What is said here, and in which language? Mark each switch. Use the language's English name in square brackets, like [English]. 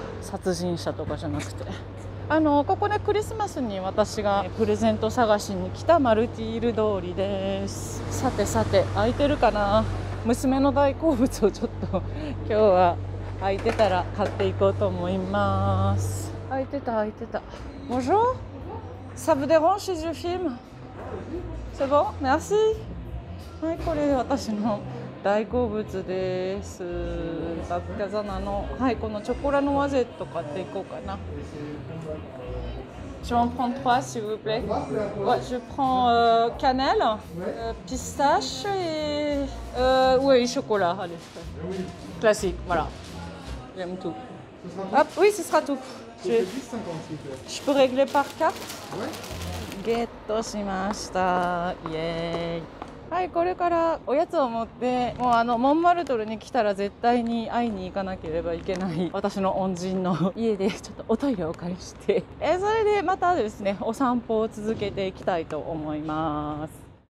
[Japanese] 殺人者とかじゃなくて。あの、ここね、クリスマスに私がプレゼント探しに来たマルティール通りです。さてさて、空いてるかな？娘の大好物をちょっと今日は空いてたら買っていこうと思います。空いてた空いてた。 [French] Bonjour, ça vous dérange si je filme? C'est bon? Merci. [Japanese] はい、これ私の大好物です、バッカザナの、はい、このチョコラのワゼット買っていこうかな。 [French] Je vais prendre trois s'il vous plaît. Ouais, je prends cannelle, pistache etoui, chocolat, allez. Oui. Classique, voilà. J'aime tout. Ce sera tout. Hop, oui, ce sera tout. Je... 10, je peux régler par carte? Oui. [Japanese] Getto shimashita. Yay. はい、これからおやつを持って、もうあのモンマルトルに来たら絶対に会いに行かなければいけない私の恩人の家でちょっとおトイレをお借りして、それでまたですね、お散歩を続けていきたいと思います。